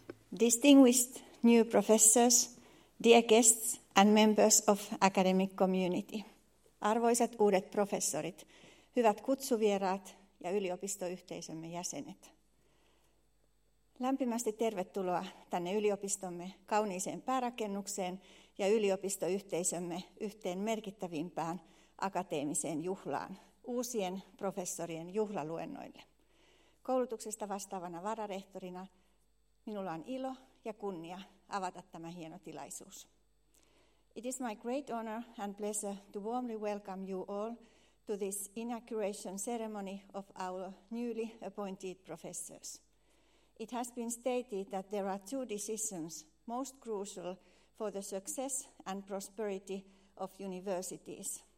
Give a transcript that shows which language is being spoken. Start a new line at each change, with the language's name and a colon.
English: distinguished new professors, dear guests and members of academic community.
Finnish: Arvoisat uudet professorit, hyvät kutsuvieraat ja yliopistoyhteisömme jäsenet. Lämpimästi tervetuloa tänne yliopistomme kauniiseen päärakennukseen ja yliopistoyhteisömme yhteen merkittävimpään akateemiseen juhlaan, uusien professorien juhlaluennoille. Koulutuksesta vastaavana vararehtorina minulla on ilo ja kunnia avata tämä hieno tilaisuus.
English: It is my great honor and pleasure to warmly welcome you all to this inauguration ceremony of our newly appointed professors. It has been stated that there are two decisions most crucial for the success and prosperity of universities.